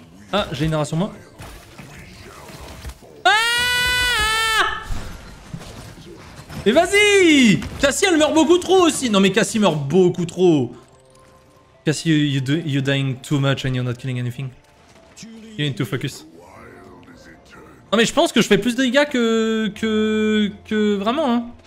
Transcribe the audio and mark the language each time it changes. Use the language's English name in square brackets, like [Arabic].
[French] Ah, génération moi. Ah. Et vas-y. Cassie, elle meurt beaucoup trop aussi. Non mais Cassie meurt beaucoup trop. [English] Cassie, you're dying too much and you're not killing anything. You need to focus. [French] Non mais je pense que je fais plus de dégâts que vraiment hein.